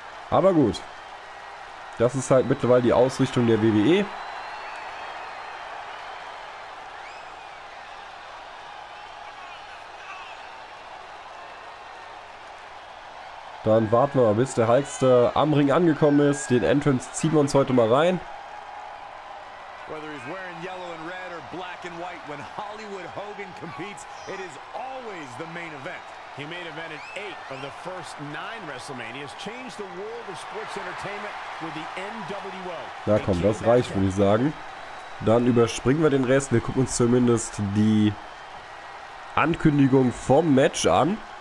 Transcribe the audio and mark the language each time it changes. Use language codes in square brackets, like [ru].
[de] Aber gut. Das ist halt mittlerweile die Ausrichtung der WWE. Dann warten wir mal, bis der Hulkster am Ring angekommen ist. Den Entrance ziehen wir uns heute mal rein. [en] Whether he's wearing yellow and red or black and white, when Hollywood Hogan competes, it is always the main event. He made event at 8 of the first 9 WrestleManias, changed the world of sports entertainment with the NWO. [de] Na komm, das reicht, würde ich sagen. Dann überspringen wir den Rest. Wir gucken uns zumindest die Ankündigung vom Match an.